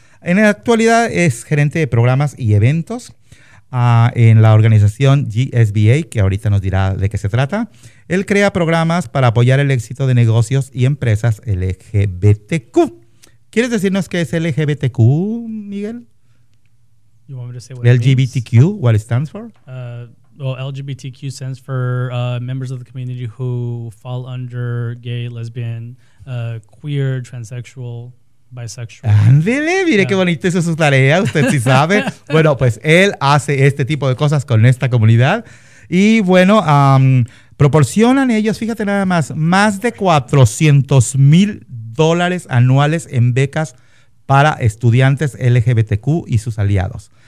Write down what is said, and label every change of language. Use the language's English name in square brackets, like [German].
[Spanish] En la actualidad es gerente de programas y eventos en la organización GSBA, que ahorita nos dirá de qué se trata. Él crea programas para apoyar el éxito de negocios y empresas LGBTQ. ¿Quieres decirnos qué es LGBTQ, Miguel? [English] You want me to say what LGBTQ, it means? What it stands for? LGBTQ stands for members of the community who fall under gay, lesbian, queer, transsexual, bisexual. [Spanish] ¡Ándele! Mire, yeah. Qué bonito, esa es su tarea, usted sí sabe. Bueno, pues él hace este tipo de cosas con esta comunidad. Y bueno, proporcionan ellos, fíjate nada más de 400,000 dólares anuales en becas para estudiantes LGBTQ y sus aliados.